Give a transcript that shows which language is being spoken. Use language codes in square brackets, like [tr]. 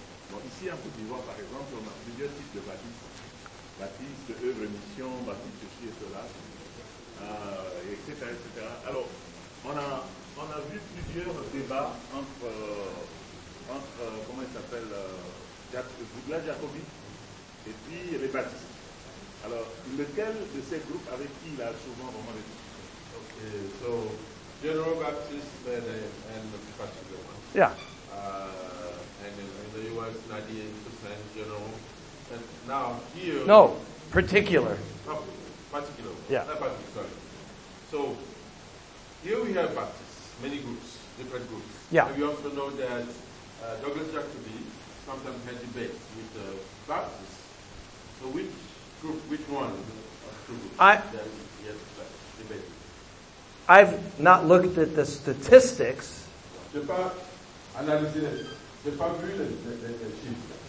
[fr] Bon, ici, en Côte d'Ivoire, par exemple, on a plusieurs types de baptistes. Baptistes, œuvres, missions, baptistes, ceci et cela, etc., etc. Alors, on a vu plusieurs débats entre Douglas Jacobi et puis les baptistes. Alors, lequel de ces groupes avec qui il a souvent vraiment des discussions? [en] Okay, so, General Baptist and the particular one. Yeah. And in the U.S., 98% general. And now here. No, particular. Particular. Yeah. Not particular, sorry. So here we have Baptists, many groups, different groups. Yeah. And we also know that Douglas Jacobi sometimes had debates with the Baptists. So which group, which one of two groups debate? I've not looked at the statistics. [fr] J'ai pas analysé, j'ai pas vu les chiffres.